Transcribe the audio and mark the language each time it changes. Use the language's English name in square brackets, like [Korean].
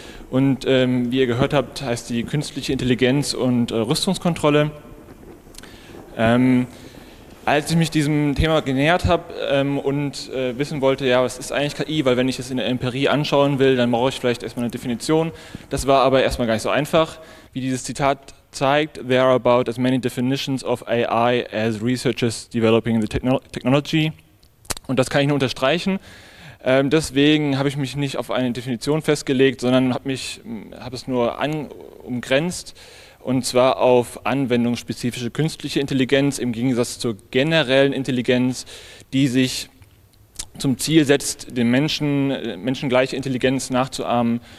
[German] Und wie ihr gehört habt, heißt die Künstliche Intelligenz und Rüstungskontrolle. Als ich mich diesem Thema genähert habe und wissen wollte, ja, was ist eigentlich KI, weil wenn ich es in der Empirie anschauen will, dann brauche ich vielleicht erstmal eine Definition. Das war aber erstmal gar nicht so einfach. Wie dieses Zitat zeigt, [English] there are about as many definitions of AI as researchers developing the technology. [German] Und das kann ich nur unterstreichen. Deswegen habe ich mich nicht auf eine Definition festgelegt, sondern habe es nur umgrenzt. Und zwar auf anwendungsspezifische künstliche Intelligenz im Gegensatz zur generellen Intelligenz, die sich zum Ziel setzt, den Menschen, menschengleiche Intelligenz nachzuahmen.